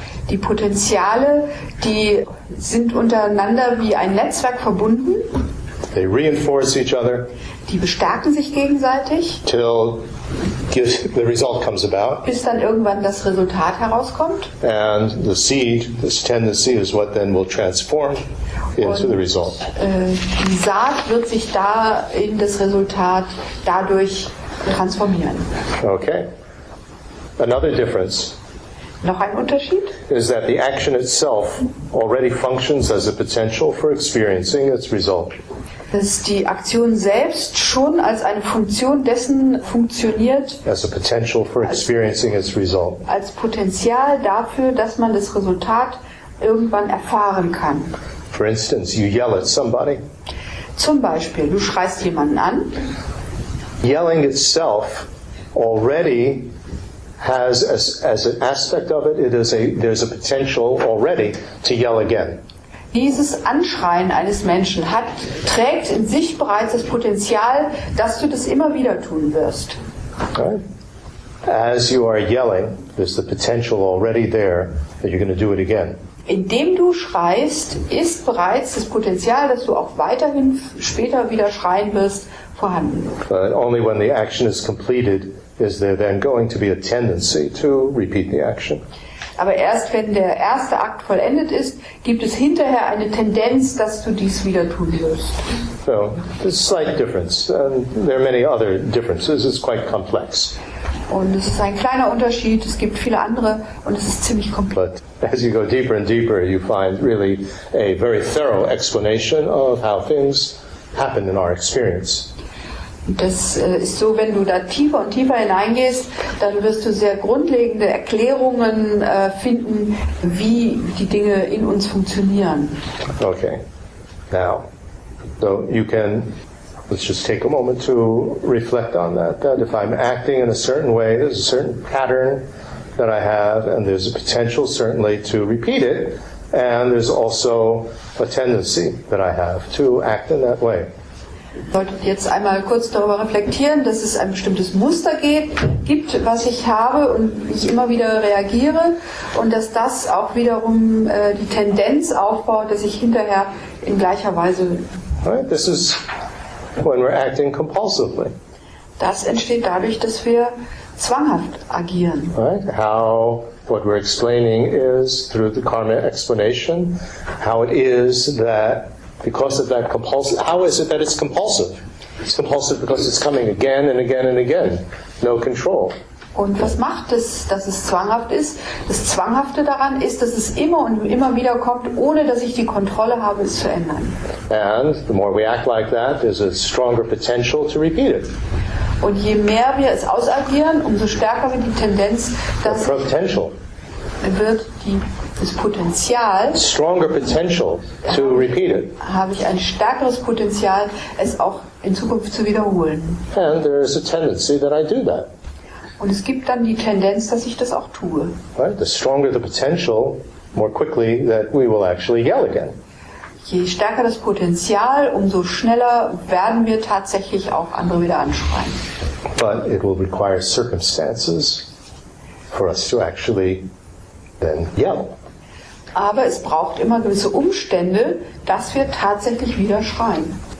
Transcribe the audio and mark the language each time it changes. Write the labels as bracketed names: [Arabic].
[German] Die Potenziale, die sind untereinander wie ein Netzwerk verbunden. [English] They reinforce each other. [German] Die bestärken sich gegenseitig. [English] Till the result comes about. [German] Bis dann irgendwann das Resultat herauskommt. [English] And the seed, this tendency, is what then will transform into the result. [German] Die Saat wird sich da in das Resultat dadurch transformieren. [English] Okay. Another difference. [German] Noch ein Unterschied? [English] Is that the action itself already functions as a potential for experiencing its result. [German] Dass die Aktion selbst schon als eine Funktion dessen funktioniert, [English] as a potential for experiencing its result. [German] Als Potenzial dafür, dass man das Resultat irgendwann erfahren kann. [English] For instance, you yell at somebody. [German] Zum Beispiel, du schreist jemanden an. [English] Yelling itself already has as an aspect of it, there's a potential already to yell again. [German] Dieses Anschreien eines Menschen trägt in sich bereits das Potenzial, dass du das immer wieder tun wirst. [English] Okay. As you are yelling, there's the potential already there that you're going to do it again. [German] Indem du schreist, ist bereits das Potenzial, dass du auch weiterhin später wieder schreien wirst, vorhanden. [English] But only when the action is completed is there then going to be a tendency to repeat the action. [German] Aber erst wenn der erste Akt vollendet ist, gibt es hinterher eine Tendenz, dass du dies wieder tun wirst. [English] So, it's a slight difference. And there are many other differences. It's quite complex. [German] Und es ist ein kleiner Unterschied. Es gibt viele andere und es ist ziemlich komplex. [English] But as you go deeper and deeper, you find really a very thorough explanation of how things happen in our experience. [German] Das ist so, wenn du da tiefer und tiefer hineingehst, dann wirst du sehr grundlegende Erklärungen finden, wie die Dinge in uns funktionieren. [English] Okay. Now, so you can, let's just take a moment to reflect on that. That if I'm acting in a certain way, there's a certain pattern that I have, and there's a potential certainly to repeat it, and there's also a tendency that I have to act in that way. [German] Solltet jetzt einmal kurz darüber reflektieren, dass es ein bestimmtes Muster gibt, was ich habe und ich immer wieder reagiere und dass das auch wiederum die Tendenz aufbaut, dass ich hinterher in gleicher Weise. [English] Right, this is when we're acting compulsively. [German] Das entsteht dadurch, dass wir zwanghaft agieren. [English] Right, how what we're explaining is through the karma explanation, how it is that. Because of that compulsive, how is it that it's compulsive? It's compulsive because it's coming again and again and again. No control. [German] Und was macht es, dass es zwanghaft ist? Das Zwanghafte daran ist, dass es immer und immer wieder kommt, ohne dass ich die Kontrolle habe, es zu ändern. [English] And the more we act like that, there's a stronger potential to repeat it. [German] Und je mehr wir es ausagieren, umso stärker wird die Tendenz, dass [English] the potential. [German] Wird die das Potenzial [English] stronger potential to repeat it. [German] Habe ich ein stärkeres Potenzial, es auch in Zukunft zu wiederholen. [English] And there is a tendency that I do that. [German] Und es gibt dann die Tendenz, dass ich das auch tue. [English] Right? The stronger the potential, more quickly that we will actually yell again. [German] Je stärker das Potenzial, umso schneller werden wir tatsächlich auch andere wieder anschreien. [English] But it will require circumstances for us to actually then yell. [German] Aber es braucht immer gewisse Umstände, dass wir tatsächlich wieder schreien.